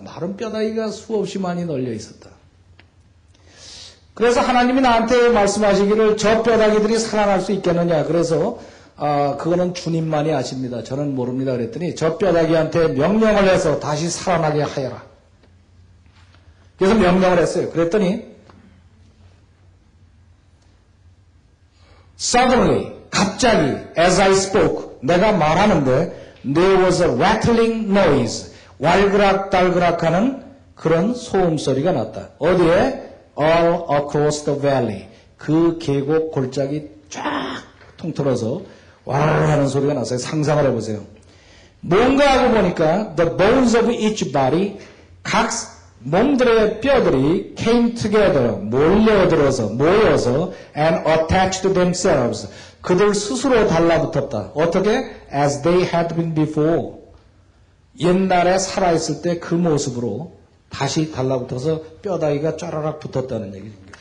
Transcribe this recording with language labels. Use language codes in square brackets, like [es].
[ko] 마른 뼈다귀가 수없이 많이 널려 있었다. 그래서 하나님이 나한테 말씀하시기를 저 뼈다귀들이 살아날 수 있겠느냐. 그래서 그거는 주님만이 아십니다. 저는 모릅니다. 그랬더니 저 뼈다귀한테 명령을 해서 다시 살아나게 하여라. 그래서 명령을 했어요. 그랬더니 [en] Suddenly, [ko] 갑자기 [en] As I spoke, [ko] 내가 말하는데 [en] There was a rattling noise, [ko] 왈그락달그락하는 그런 소음소리가 났다. 어디에? [en] All across the valley. [ko] 그 계곡 골짜기 쫙 통틀어서 와르르하는 소리가 났어요. 상상을 해보세요. 뭔가 하고 보니까 [en] The bones of each body, [ko] 각 몸들의 뼈들이 [en] came together, [ko] 몰려들어서, 모여서 [en] and attached themselves. [ko] 그들 스스로 달라붙었다. 어떻게? [en] As they had been before. [ko] 옛날에 살아있을 때 그 모습으로 다시 달라붙어서 뼈다귀가 쫘라락 붙었다는 얘기입니다.